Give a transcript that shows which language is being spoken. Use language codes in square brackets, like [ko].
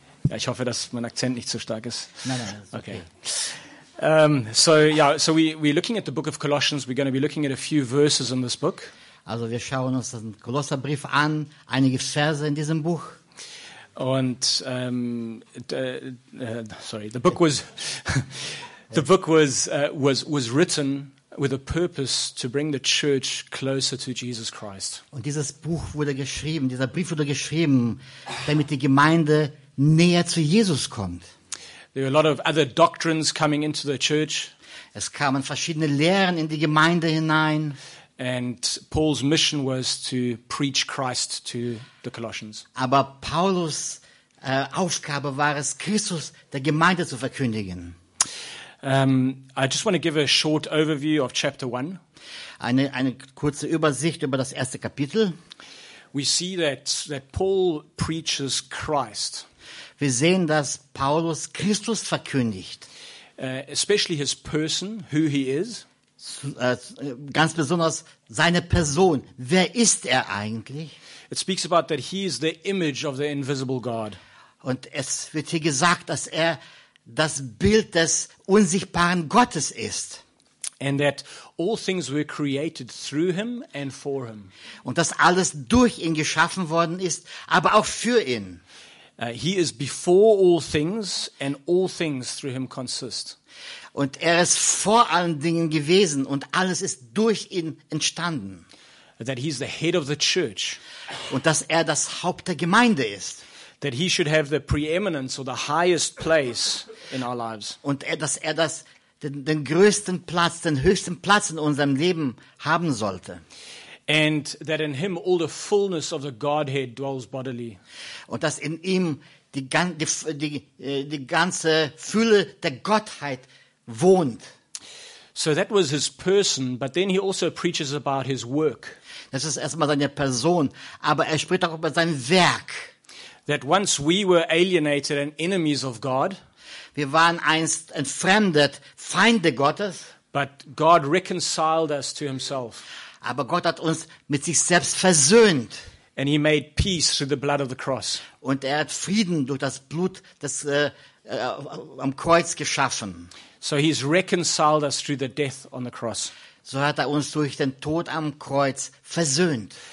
[de] Ja, ich hoffe, dass mein Akzent nicht zu stark ist. Nein, okay. [en] So we're looking at the book of Colossians. We're going to be looking at a few verses in this book. [de] Also wir schauen uns den Kolosserbrief an, einige Verse in diesem Buch. [en] Und the book was written with a purpose to bring the church closer to Jesus Christ. [de] Und dieses Buch wurde geschrieben, dieser Brief wurde geschrieben, damit die Gemeinde näher zu Jesus kommt. [en] There were a lot of other doctrines coming into the church. [de] Es kamen verschiedene Lehren in die Gemeinde hinein. [en] And Paul's mission was to preach Christ to the Colossians. [de] Aber Paulus Aufgabe war es, Christus der Gemeinde zu verkündigen. [en] I just want to give a short overview of chapter 1. [de] Eine kurze Übersicht über das erste Kapitel. [en] We see that Paul preaches Christ. [de] Wir sehen, dass Paulus Christus verkündigt. [en] Especially his person, who he is. [de] Ganz besonders seine Person. Wer ist er eigentlich? [en] It speaks about that he is the image of the invisible God. [de] Und es wird hier gesagt, dass er das Bild des unsichtbaren Gottes ist. [en] And that all things were created through him and for him. [de] Und dass alles durch ihn geschaffen worden ist, aber auch für ihn. [en] He is before all things and all things through him consist. [de] Und er ist vor allen Dingen gewesen und alles ist durch ihn entstanden. [en] That he is the head of the church. [de] Und dass er das Haupt der Gemeinde ist. [en] That he should have the preeminence or the highest place in our lives. [de] Und dass er das den größten Platz, den höchsten Platz in unserem Leben haben sollte. [en] And that in him all the fullness of the Godhead dwells bodily. [de] Und dass in ihm die ganze Fülle der Gottheit wohnt. [en] So that was his person, but then he also preaches about his work. [de] Das ist erstmal seine Person, aber er spricht auch über sein Werk. [en] That once we were alienated and enemies of God, [de] wir waren einst entfremdet, Feinde Gottes, [en] but God reconciled us to himself. [de] Aber Gott hat uns mit sich selbst versöhnt. [en] And he made peace through the blood of the cross. [de] Und er hat Frieden durch das Blut des am Kreuz geschaffen. [en] So he's reconciled us through the death on the cross. [de] So hat er uns durch den Tod am Kreuz versöhnt.